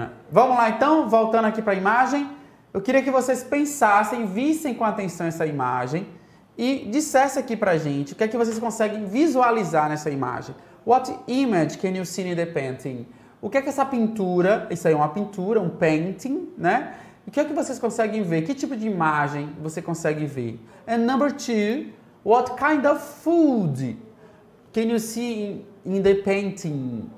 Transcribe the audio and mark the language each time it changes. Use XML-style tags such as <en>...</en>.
<pt>Vamos lá então, voltando aqui para a imagem. Eu queria que vocês pensassem, vissem com atenção essa imagem e dissessem aqui pra gente o que é que vocês conseguem visualizar nessa imagem.</pt> <en>What image can you see in the painting?</en> <pt>O que é que essa pintura, isso aí é uma pintura, um painting, né? O que é que vocês conseguem ver? Que tipo de imagem você consegue ver?</pt> <en>And number two, What kind of food can you see in the painting?</en>